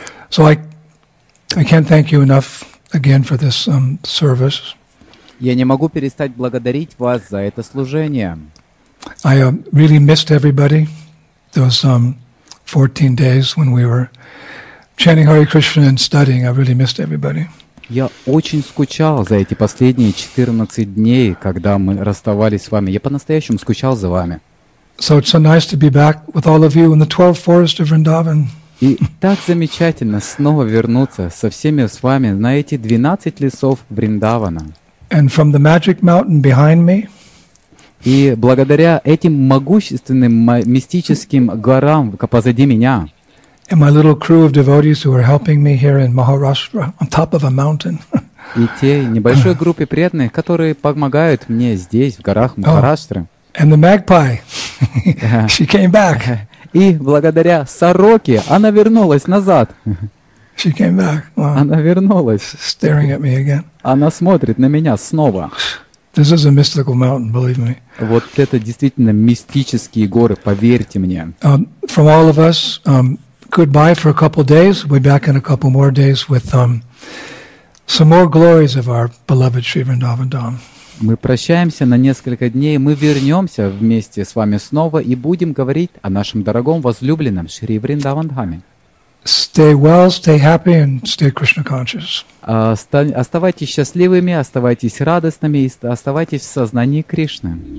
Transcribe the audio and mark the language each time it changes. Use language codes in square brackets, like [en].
[en] So I can't thank you enough again for this service. [ru] Я не могу перестать благодарить вас за это служение. [en] I really missed everybody those 14 days when we were chanting Hare Krishna and studying. I really missed everybody. [ru] Я очень скучал за эти последние 14 дней, когда мы расставались с вами. Я по-настоящему скучал за вами. [en] So it's so nice to be back with all of you in the 12th forest of Vrindavan. [ru] И так замечательно снова вернуться со всеми с вами на эти 12 лесов Вриндавана. [en] And from the magic mountain behind me. [ru] И благодаря этим могущественным мистическим горам позади меня. [en] And my little crew of devotees who are helping me here in Maharashtra on top of a mountain. [ru] И той небольшой группе преданных, которые помогают мне здесь в горах Махараштры. [en] And the magpie, she came back. [ru] И благодаря сороке она вернулась назад. [en] She came back. Wow. [ru] Она вернулась. [en] Staring at me again. [ru] Она смотрит на меня снова. [en] This is a mystical mountain, believe me. [ru] Вот это действительно мистические горы, поверьте мне. [en] From all of us, goodbye for a couple days. We'll be back in a couple more days with some more glories of our beloved Sri Vrindavan Dham. [ru] Мы прощаемся на несколько дней, мы вернемся вместе с вами снова и будем говорить о нашем дорогом возлюбленном Шри Вриндаван Дхаме. [en] Stay well, stay happy and stay Krishna conscious. [ru] Оставайтесь счастливыми, оставайтесь радостными и оставайтесь в сознании Кришны.